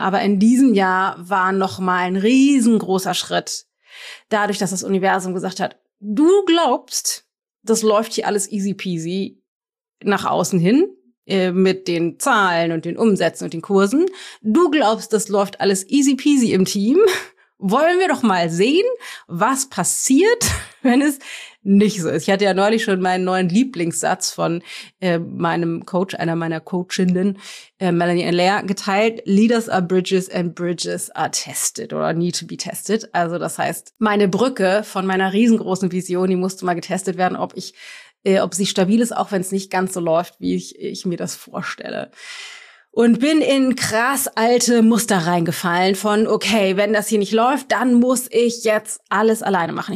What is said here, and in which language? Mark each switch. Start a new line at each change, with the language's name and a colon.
German: Aber in diesem Jahr war nochmal ein riesengroßer Schritt, dadurch, dass das Universum gesagt hat, du glaubst, das läuft hier alles easy peasy nach außen hin, mit den Zahlen und den Umsätzen und den Kursen. Du glaubst, das läuft alles easy peasy im Team. Wollen wir doch mal sehen, was passiert, wenn es nicht so ist. Ich hatte ja neulich schon meinen neuen Lieblingssatz von meinem Coach, einer meiner Coachinnen, Melanie Allaire, geteilt.
English: Leaders are bridges and bridges are tested or need to be tested.
German: Also das heißt, meine Brücke von meiner riesengroßen Vision, die musste mal getestet werden, ob sie stabil ist, auch wenn es nicht ganz so läuft, wie ich mir das vorstelle. Und bin in krass alte Muster reingefallen von, okay, wenn das hier nicht läuft, dann muss ich jetzt alles alleine machen.